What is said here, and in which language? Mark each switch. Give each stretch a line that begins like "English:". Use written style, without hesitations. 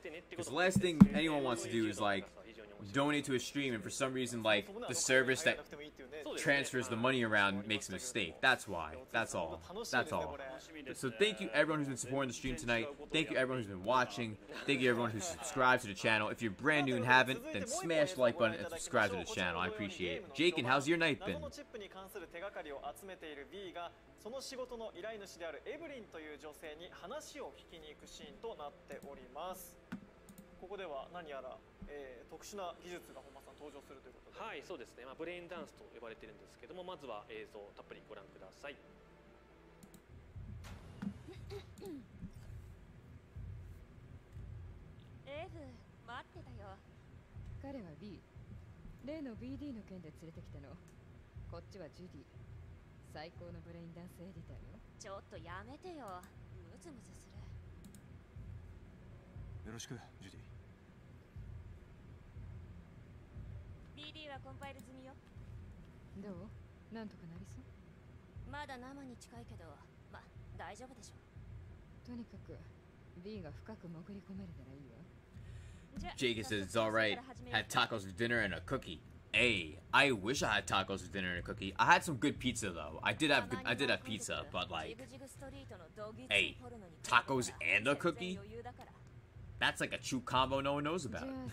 English: Because the last thing anyone wants to do is like donate to a stream and for some reason like the service that transfers the money around makes a mistake. That's why. That's all. So thank you everyone who's been supporting the stream tonight. Thank you everyone who's been watching. Thank you everyone who's subscribed to the channel. If you're brand new and haven't, then smash the like button and subscribe to the channel. I appreciate it. Jakin, how's your night been?
Japanese: その仕事の依頼主であるエブリンという女性に話を聞きに行くシーンとなっております。ここでは何やら、特殊な技術が本間さん登場するということで、はい、そうですね、まあ、ブレインダンスと呼ばれているんですけども、まずは映像をたっぷりご覧ください。エブ、待ってたよ。彼は B、 例の BD の件で連れてきたの。こっちはジュディ、最高のブレインダンスエディターよ。ちょっとやめてよ、ムズムズする。よろしく、ジュディ。 BD はコンパイル済みよ。どう、なんとかなりそう？まだ生に近いけど、まあ大丈夫でしょう。とにかく B が深く潜り込めるならいいわ。
English: Jake says it's alright, had tacos for dinner and a cookieAy, I wish I had tacos for dinner and a cookie. I had some good pizza though. I did have pizza, but like, hey, tacos and a cookie? That's like a true combo no one knows about.